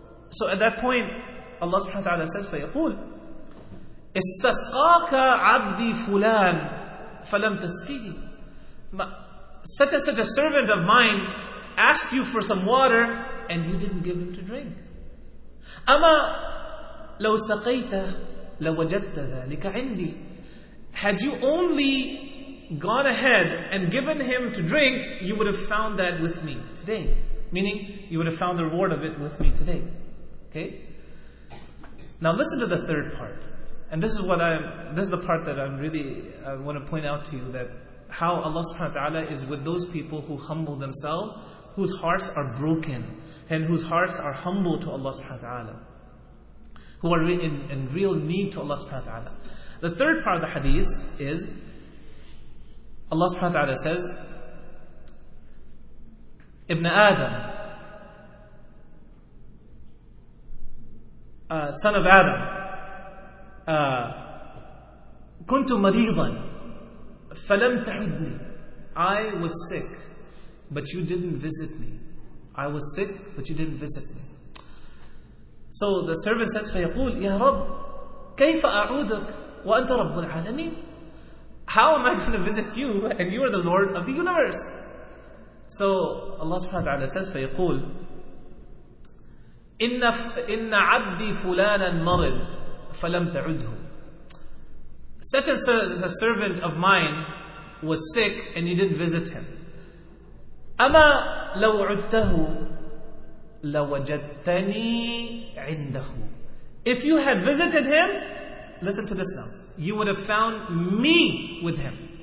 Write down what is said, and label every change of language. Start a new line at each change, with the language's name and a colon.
English: So at that point Allah subhanahu wa ta'ala says,
Arabic: فيقول استسقاك عبدي فلان فلم تسقيه.
English: Such and such a servant of mine asked you for some water and you didn't give him to drink.
Arabic: أما لو سقيت لوجدت ذلك عندي.
English: Had you only gone ahead and given him to drink, you would have found that with me today. Meaning, you would have found the reward of it with me today. Okay? Now listen to the third part. And this is the part that I want to point out to you, that how Allah subhanahu wa ta'ala is with those people who humble themselves, whose hearts are broken, and whose hearts are humble to Allah subhanahu wa ta'ala, who are in real need to Allah subhanahu wa ta'ala. The third part of the hadith is, Allah subhanahu wa ta'ala says, Ibn Adam, son of Adam,
Arabic: kuntu maridan, falam ta'idni.
English: I was sick, but you didn't visit me. I was sick, but you didn't visit me. So the servant says,
Arabic: فَيَقُولْ يَا رَبْ كَيْفَ أَعُودُكَ وَأَنْتَ رَبُّ الْعَالَمِينَ.
English: How am I going to visit you and you are the Lord of the universe? So Allah subhanahu wa ta'ala says,
Arabic: فَيَقُولْ إِنَّ عَبْدِي فُلَانًا مَرِضْ فَلَمْ تَعُدْهُ.
English: Such as a servant of mine was sick and you didn't visit him.
Arabic: أَمَا لَوْ عُدْتَهُ لَوَجَدْتَنِي عِنْدَهُ.
English: If you had visited him, listen to this now, you would have found me with him.